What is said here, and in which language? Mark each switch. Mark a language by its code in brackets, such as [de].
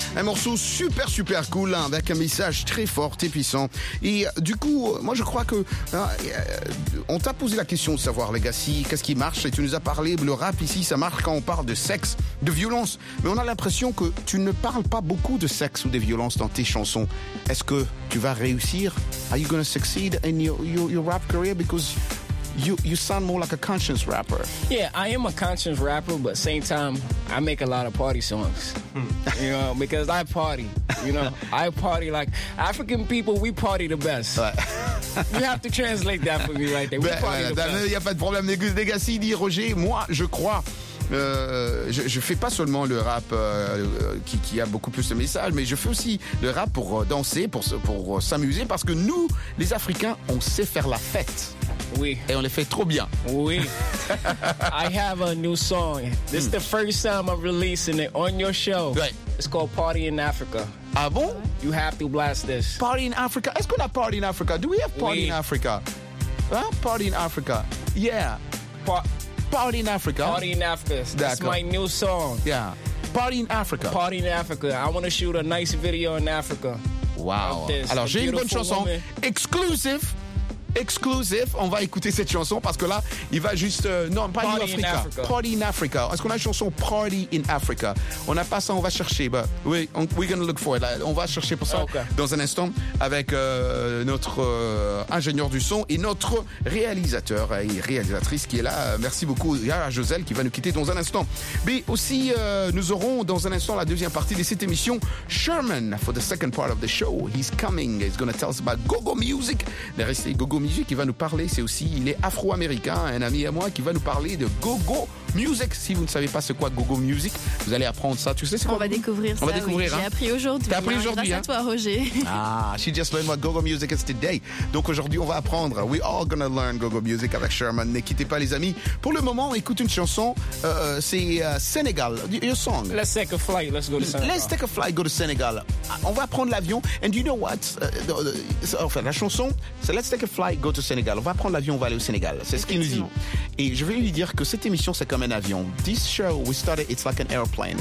[fr] Un morceau super, super cool, hein, avec un message très fort et puissant. Et du coup, moi, je crois que... on t'a posé la question de savoir, Legacy, qu'est-ce qui marche? Et tu nous as parlé, le rap ici, ça marche quand on parle de sexe, de violence. Mais on a l'impression que tu ne parles pas beaucoup de sexe ou de violence dans tes chansons. Est-ce que tu vas réussir? [en] Are you going to succeed in your rap career? Because... You sound more like a conscience rapper. Yeah, I am a conscience rapper, but same time, I make a lot of party songs. Hmm. You know, because I party, you know. I party like African people, we party the best. You have to translate that for me right there. We party the best. [fr] Il n'y a pas de problème. Legacy dit, Roger, moi, je crois... je fais pas seulement le rap qui a beaucoup plus de messages, mais je fais aussi le rap pour danser, pour s'amuser, parce que nous, les Africains, on sait faire la fête. Oui. Et on les fait trop bien. [en] Oui. I have a new song. This is the first time I'm releasing it on your show. Right. It's called Party in Africa. [fr] Ah bon? [en] You have to blast this. Party in Africa. [fr] Est-ce qu'on a Party in Africa? [en] Do we have Party in Africa? Huh? Party in Africa. Yeah. Party in Africa. Party in Africa. That's D'accord. my new song. Yeah. Party in Africa. Party in Africa. I want to shoot a nice video in Africa. [fr] Wow. Alors, j'ai une bonne chanson. Exclusive. Exclusive. On va écouter cette chanson parce que là, il va juste... [en] Party in Africa. Party in Africa. [fr] Est-ce qu'on a une chanson Party in Africa? On n'a pas ça, on va chercher. [en] But we're going to look for it. [fr] On va chercher pour ça dans un instant avec notre ingénieur du son et notre réalisateur et réalisatrice qui est là. Merci beaucoup à Joselle qui va nous quitter dans un instant. Mais aussi, nous aurons dans un instant la deuxième partie de cette émission. [en] Sherman, for the second part of the show, he's coming. He's going to tell us about Gogo Music. [fr] Mais restez Gogo Music qui va nous parler, c'est aussi, il est afro-américain, un ami à moi qui va nous parler de Gogo Music. Si vous ne savez pas ce qu'est Gogo Music, vous allez apprendre ça. Tu sais, c'est quoi? On va découvrir ça. On va découvrir. Oui. Hein. J'ai appris aujourd'hui. T'as appris aujourd'hui. Grâce à toi, Roger. [en] Ah, she just learned what Gogo Music is today. [fr] Donc aujourd'hui, on va apprendre. [en] We all gonna learn Gogo Music [fr] avec Sherman. Ne quittez pas, les amis. Pour le moment, on écoute une chanson. C'est Sénégal. [en] Your song. Let's take a flight. Let's go to Sénégal. Let's take a flight. Go to Sénégal. [fr] On va prendre l'avion. [en] And you know what? [fr] Enfin, la chanson, c'est [en] Let's take a flight. Go to Sénégal. [fr] On va prendre l'avion. On va aller au Sénégal. C'est ce qu'il nous dit. Et je vais lui dire que cette émission, c'est comme un avion. [en] This show, we started, it's like an airplane.